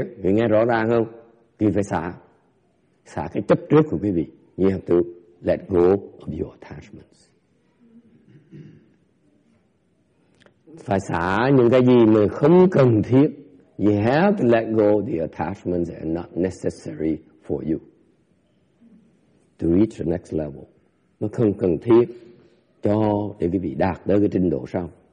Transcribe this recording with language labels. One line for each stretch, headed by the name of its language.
Vietnamese: Quý vị nghe rõ ràng không? Quý vị phải xả. Xả cái chấp trước của quý vị.
English: You have to let go of your attachments.
Vietnamese: Phải xả những cái gì mà không cần thiết.
English: You have to let go the attachments that are not necessary for you to reach the next level.
Vietnamese: Nó không cần thiết cho để quý vị đạt tới cái trình độ sau.